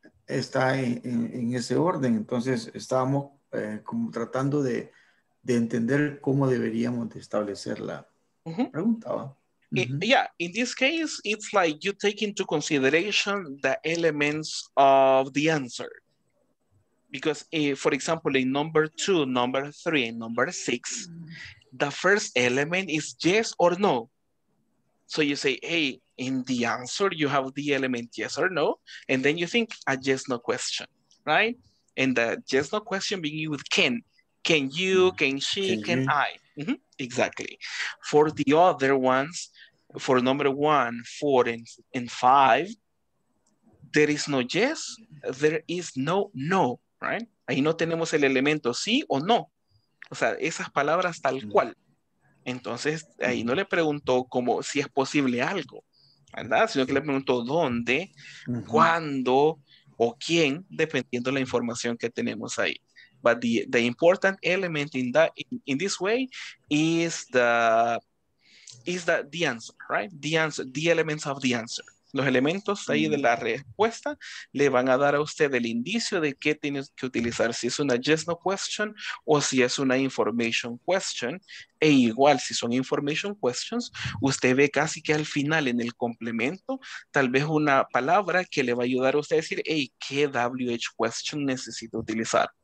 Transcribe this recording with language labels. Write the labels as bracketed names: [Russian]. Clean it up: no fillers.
[Spanish] Está en ese orden, entonces estábamos como tratando de entender cómo deberíamos de establecer la pregunta. Uh-huh. [English] Yeah, in this case, it's like you take into consideration the elements of the answer. Because, for example, in number 2, number 3, and number 6, the first element is yes or no. So you say, hey, in the answer, you have the element yes or no. And then you think a yes, no question, right? And the yes, no question begins with can. Can you, can she, can I? Mm-hmm. Exactly. For the other ones, for number 1, 4, and 5, there is no yes, there is no no, right? [Spanish] Ahí no tenemos el elemento sí o no. O sea, esas palabras tal cual. Entonces, ahí no le preguntó como si es posible algo, ¿verdad? Sino que le preguntó dónde, cuándo, o quién, dependiendo la información que tenemos ahí. [English] But the important element in that in this way is the answer, right? The answer, the elements of the answer. [Spanish] Los elementos ahí de la respuesta le van a dar a usted el indicio de qué tienes que utilizar, si es una yes no question o si es una information question. E igual, si son information questions, usted ve casi que al final en el complemento, tal vez una palabra que le va a ayudar a usted a decir, hey, ¿qué WH question necesito utilizar?